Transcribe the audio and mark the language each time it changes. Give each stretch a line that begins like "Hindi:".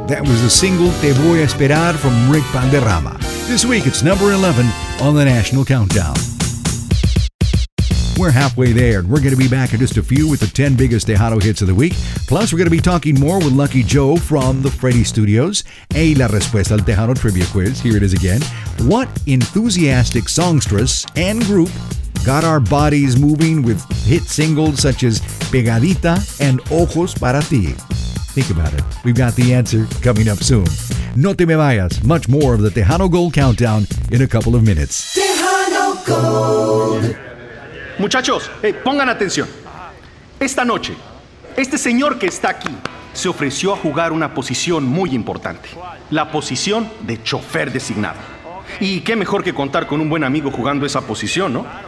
English: That was the single Te Voy a Esperar from Rick Banderrama. This week it's number 11 on the National Countdown. We're halfway there, and we're going to be back in just a few with the 10 biggest Tejano hits of the week. Plus, we're going to be talking more with Lucky Joe from the Freddy Studios. Hey,
Spanish: la respuesta al Tejano
English: trivia quiz. Here it is again. What enthusiastic songstress and group got our bodies moving with hit singles such as Pegadita and Ojos para Ti? Think about it. We've got the answer coming up soon.
Spanish: No te me vayas.
English: Much more of the Tejano Gold Countdown in a couple of minutes. Tejano Gold.
Spanish: Muchachos, pongan atención. Esta noche, este señor que está aquí se ofreció a jugar una posición muy importante. La posición de chofer designado. Y qué mejor que contar con un buen amigo jugando esa posición, ¿no?